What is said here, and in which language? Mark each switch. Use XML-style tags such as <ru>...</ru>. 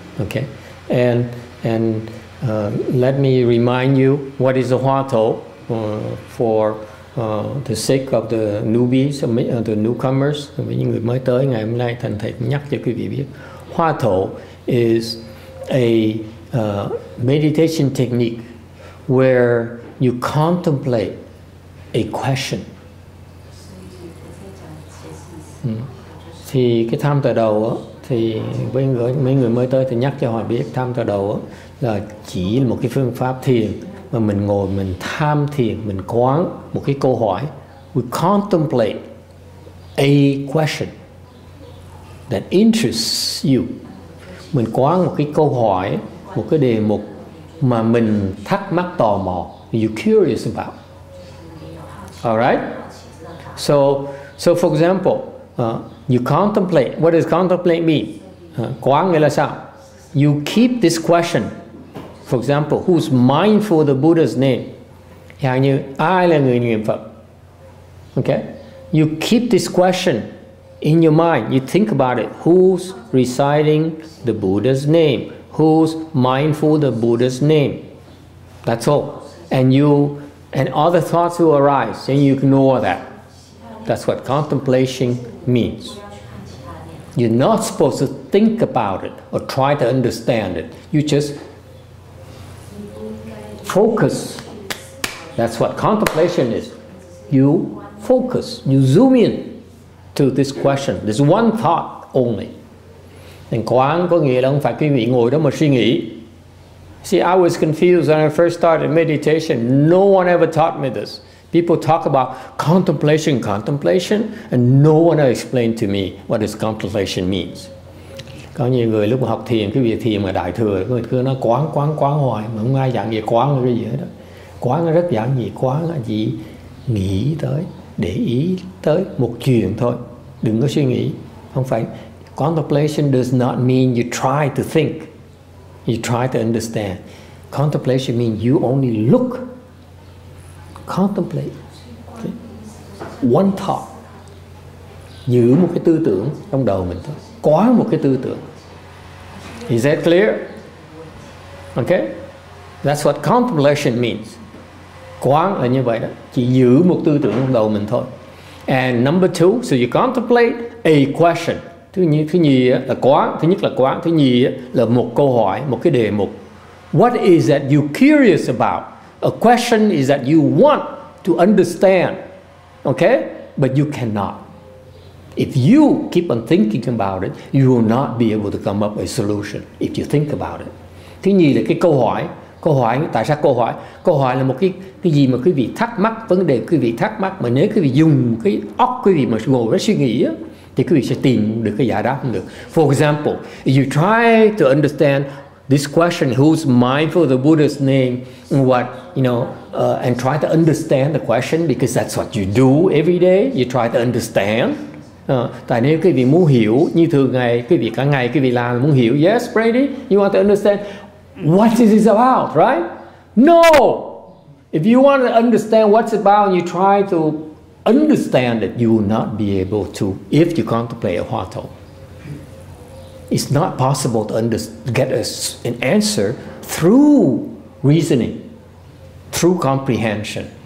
<en>Okay, and let me remind you what is the HuaTou. For the sake of the newbies, the newcomers,</en> <vi>với những người mới tới ngày hôm nay, thành thầy nhắc cho quý vị biết,</vi> <en>HuaTou is a meditation technique where you contemplate a question.</en> <vi>Thì cái tham thọ đầu á, thì với mấy người mới tới thì nhắc cho họ biết tham thọ đầu á là chỉ một cái phương pháp thiền. Mà mình ngồi mình tham thiền, mình quán một cái câu hỏi.</vi> <en>We contemplate a question that interests you.</en> <vi>Mình quán một cái câu hỏi, một cái đề mục mà mình thắc mắc tò mò.</vi> <en>You're curious about. Alright? So for example, you contemplate. What does contemplate mean?</en> <vi>Quán nghĩa là sao?</vi> <en>You keep this question. For example, who's mindful of the Buddha's name?</en> <vi>Yeah, như ai là người niệm Phật?</vi> <en>Okay, you keep this question in your mind. You think about it. Who's reciting the Buddha's name? Who's mindful of the Buddha's name? That's all. And other thoughts will arise, and you ignore that. That's what contemplation means. You're not supposed to think about it or try to understand it. You just focus. That's what contemplation is. You focus. You zoom in to this question. This one thought only.</en> <vi>And quán có nghĩa là không phải quý vị ngồi đó mà suy nghĩ.</vi> <en>See, I was confused when I first started meditation. No one ever taught me this. People talk about contemplation, and no one explained to me what this contemplation means.</en> <vi>Có nhiều người lúc học thiền, cái việc thiền mà đại thừa, người cứ nói quán hoài, mà không ai dạng gì quán là cái gì hết đó. Quán rất giản dị, quán là gì? Nghĩ tới, để ý tới một chuyện thôi, đừng có suy nghĩ. Không phải,</vi> <en>contemplation does not mean you try to think, you try to understand. Contemplation means you only look, contemplate, okay. One thought,</en> <vi>giữ một cái tư tưởng trong đầu mình thôi. Quá một cái tư tưởng.</vi> <en>Is that clear? Okay? That's what contemplation means.</en> <vi>Quán là như vậy đó. Chỉ giữ một tư tưởng trong đầu mình thôi.</vi> <en>And number two, so you contemplate a question.</en> <vi>Thứ nhì là quán. Thứ nhất là quán. Thứ nhì là một câu hỏi, một cái đề mục.</vi> <en>What is that you curious about? A question is that you want to understand. Okay? But you cannot. If you keep on thinking about it, you will not be able to come up with a solution if you think about it.</en> <vi>Thứ nhì là cái câu hỏi. Câu hỏi, tại sao câu hỏi? Câu hỏi là một cái gì mà quý vị thắc mắc, vấn đề quý vị thắc mắc. Mà nếu quý vị dùng cái óc quý vị mà ngồi với suy nghĩ, thì quý vị sẽ tìm được cái giải đáp không được.</vi> <en>For example, if you try to understand this question, who's mindful of the Buddha's name, what, you know, and try to understand the question, because that's what you do every day, you try to understand.</en> <vi>Tại nếu quý vị muốn hiểu như thường ngày, quý vị cả ngày quý vị làm muốn hiểu,</vi> <en>yes, Brady, you want to understand what is this about, right? No! If you want to understand what's about and you try to understand it, you will not be able to if you contemplate a HuaTou. It's not possible to get an answer through reasoning, through comprehension.</en>